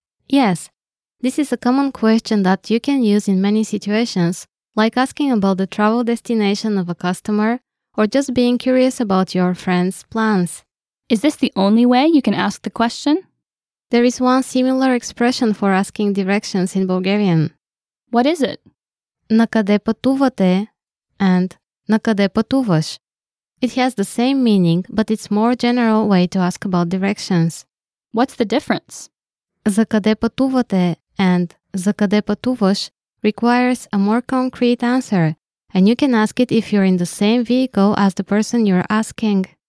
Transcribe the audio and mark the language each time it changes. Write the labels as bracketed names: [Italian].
[English] Yes, this is a common question that you can use in many situations, like asking about the travel destination of a customer or just being curious about your friend's plans. Is this the only way you can ask the question? There is one similar expression for asking directions in Bulgarian. What is it? [Bulgarian] На къде пътувате and На къде пътуваш. [English] It has the same meaning, but it's more general way to ask about directions. What's the difference? [Bulgarian] За къде пътувате [English] and [Bulgarian] За къде пътуваш [English] requires a more concrete answer, and you can ask it if you're in the same vehicle as the person you're asking.